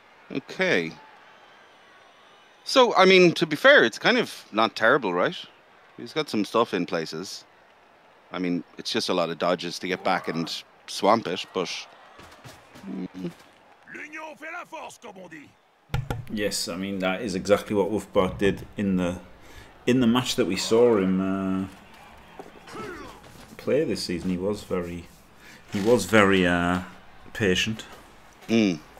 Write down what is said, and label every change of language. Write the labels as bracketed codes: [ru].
[en] Okay. So, I mean, to be fair, it's kind of not terrible, right? He's got some stuff in places. I mean, it's just a lot of dodges to get back and swamp it, but... [fr] L'union fait la force, comme on dit. [en] Yes, I mean, that is exactly what Wolfbart did in the match that we saw him play this season. He was very patient. Mm.